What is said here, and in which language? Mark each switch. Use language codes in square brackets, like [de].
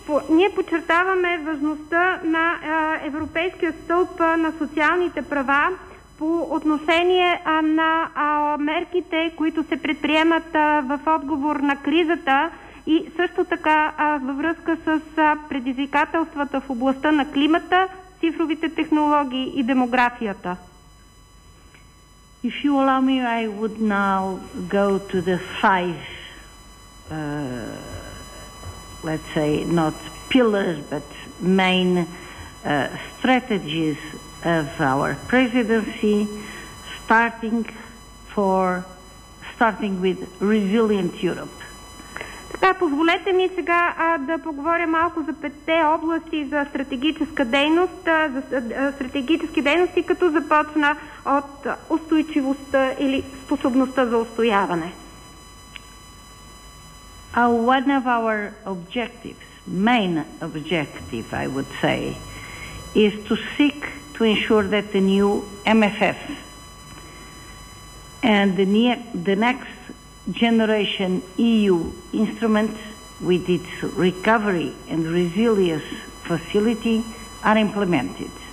[bg] Ние подчертаваме важността на Европейския стълб на социалните права по отношение на мерките, които се предприемат в отговор на кризата и също така във връзка с предизвикателствата в областта на климата, цифровите технологии и демографията. [en] If you allow me, I would now go to the five, let's say, not pillars, but main strategies of our presidency, starting with resilient Europe. [bg] Така, позволете ми сега да поговоря малко за петте области за стратегическа дейност, за стратегически дейности, като започна от устойчивостта или способността за устояване. [en] One of our objectives, main objective, I would say, is to seek to ensure that the new MFF and the next generation EU instrument with its recovery and resilience facility are implemented.